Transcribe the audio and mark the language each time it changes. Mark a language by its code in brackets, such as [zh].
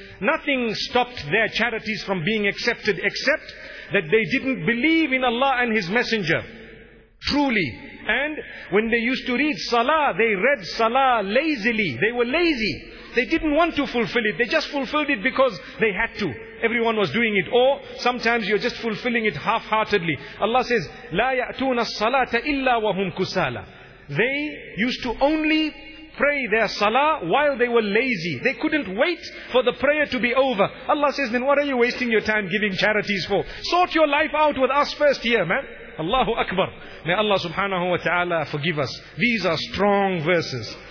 [en] Nothing stopped their charities from being accepted except that they didn't believe in Allah and His Messenger truly. And when they used to read Salah, they read Salah lazily. They were lazy. They didn't want to fulfill it. They just fulfilled it because they had to. Everyone was doing it. Or sometimes you're just fulfilling it half-heartedly. [ar] Allah says, لا يأتون الصلاة إلا وهم كسالى. [en] They used to only pray their Salah while they were lazy. They couldn't wait for the prayer to be over. Allah says, then what are you wasting your time giving charities for? Sort your life out with us first here, man. Allahu Akbar. May Allah subhanahu wa ta'ala forgive us. These are strong verses.